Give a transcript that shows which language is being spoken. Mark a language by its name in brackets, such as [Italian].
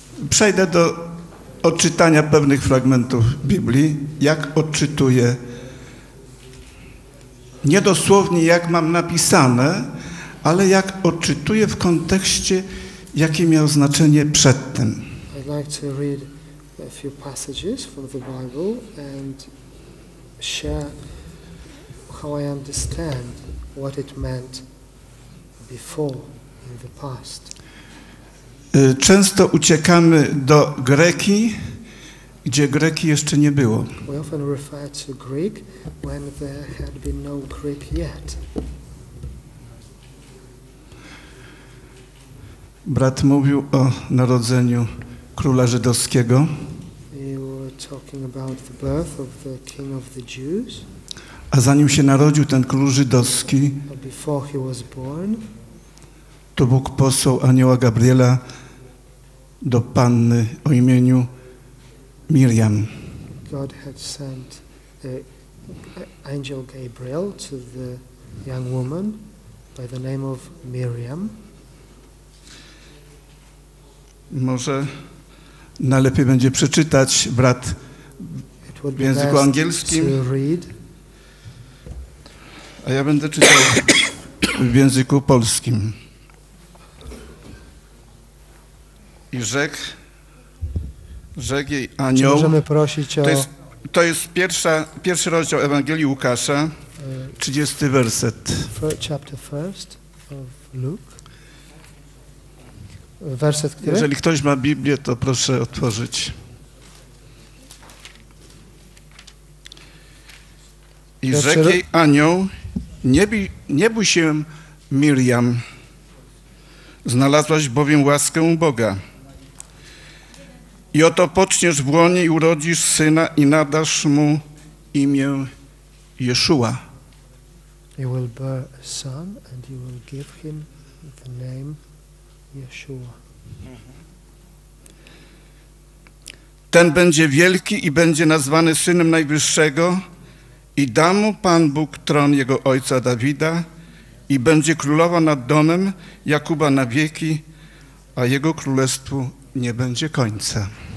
[Polish] Przejdę do odczytania pewnych fragmentów Biblii, jak odczytuję. Niedosłownie, jak mam napisane, ale jak odczytuję w kontekście, jakie miał znaczenie przedtem. [English] I'd like to read a few passages from the Bible and share how I understand what it meant before, in the past. [Polish] Często uciekamy do Greki, gdzie Greki jeszcze nie było. [English] We often refer to Greek when there had been no Greek yet. [Polish] Brat mówił o narodzeniu króla żydowskiego. [English] You were talking about the birth of the king of the Jews. [Polish] A zanim się narodził ten król żydowski, [English] before he was born, [Polish] to Bóg posłał anioła Gabriela do panny o imieniu Miriam. [English] God had sent the angel Gabriel to the young woman by the name of Miriam. [Polish] Może najlepiej będzie przeczytać, brat, w języku angielskim, a ja będę czytał w języku polskim. I rzekł jej anioł, możemy prosić o... to jest pierwszy rozdział Ewangelii Łukasza, 30 werset. [English] Chapter first of Luke. [Polish] Werset który? Jeżeli ktoś ma Biblię, to proszę otworzyć. I rzekł jej anioł, nie bój się, Miriam, znalazłaś bowiem łaskę u Boga. I oto poczniesz w łonie i urodzisz syna i nadasz mu imię Jeszua. [English] You will bear a son and you will give him the name Jeszua. [Polish] Ten będzie wielki i będzie nazwany Synem Najwyższego i da mu Pan Bóg tron jego ojca Dawida i będzie królowa nad domem Jakuba na wieki, a jego królestwu nie będzie końca.